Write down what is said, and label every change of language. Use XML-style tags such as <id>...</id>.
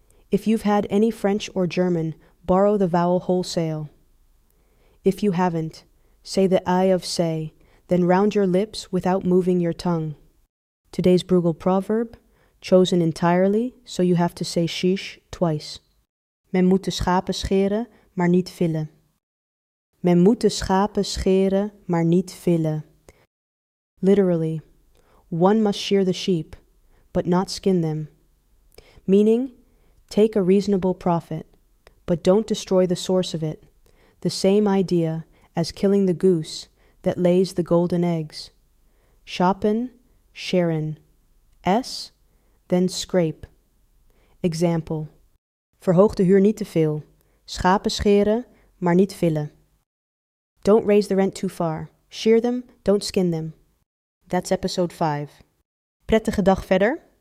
<en>If you've had any French or German, borrow the vowel wholesale. If you haven't, say the I of say, then round your lips without moving your tongue. Today's Bruegel proverb, chosen entirely, so you have to say sheesh twice.</en> <nl>Men moet de schapen scheren, maar niet villen. Men moet de schapen scheren, maar niet villen.</nl> <en>Literally, one must shear the sheep, but not skin them. Meaning, take a reasonable profit, but don't destroy the source of it, the same idea as killing the goose that lays the golden eggs. Schoppen, Scheren. S, then scrape. Example.</en> <nl>Verhoog de huur niet te veel. Schapen scheren, maar niet villen.</nl> <en>Don't raise the rent too far. Shear them, don't skin them. That's episode 5.</en> <nl>Prettige dag verder.</nl>